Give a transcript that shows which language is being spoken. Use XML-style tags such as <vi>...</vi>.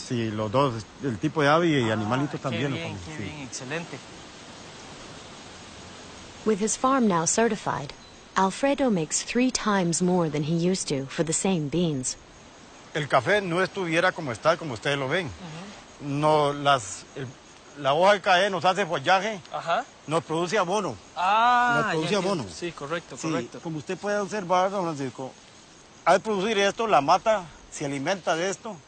<es>Sí, los dos, el tipo de ave y animalito también. Qué bien, lo comen. Qué sí. Bien, excelente.</es> <en>With his farm now certified, Alfredo makes 3 times more than he used to for the same beans.</en> <es>El café no estuviera como está, como ustedes lo ven. No, la hoja de café nos hace follaje, ajá. Nos produce abono. Ah, nos produce abono. Sí, correcto, sí, correcto. Como usted puede observar, don Francisco, al producir esto, la mata se alimenta de esto.</es>